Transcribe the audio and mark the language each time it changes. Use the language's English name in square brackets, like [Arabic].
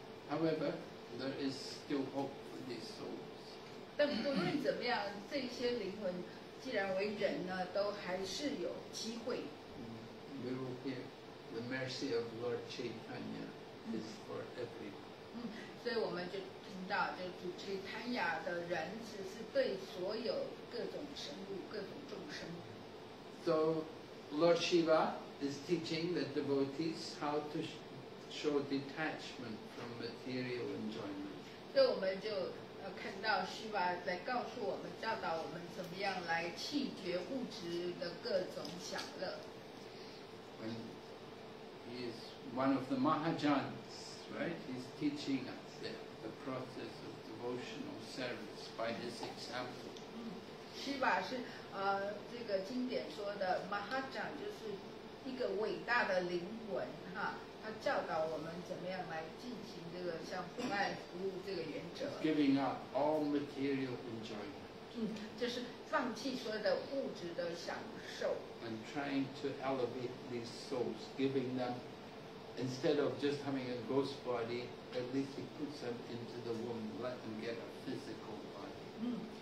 [English] However, there is still hope for these souls. [Chinese] 但不论怎么样，这些灵魂既然为人呢，都还是有机会。 [English] We will hear the mercy of Lord Chaitanya is for everyone. [Chinese] 所以我们就听到，就主 Chaitanya 的仁慈是对所有各种生物、各种众生。 [English] So Lord Shiva is teaching the devotees how to show detachment from material enjoyment. [Chinese] 所以我们就看到 Shiva 在告诉我们，教导我们怎么样来弃绝物质的各种享乐。 [English] And he is one of the Mahajans, right? He's teaching us the process of devotional service by his example. [Chinese] Shiva 是这个经典说的 Mahajan 就是一个伟大的灵魂哈，他教导我们怎么样来进行这个像不卖服务这个原则。 [English] Giving up all material enjoyment. [Chinese] 就是放弃所有的物质的享受。 [English] And trying to elevate these souls, giving them, instead of just having a ghost body, at least he puts them into the womb, let them get a physical body.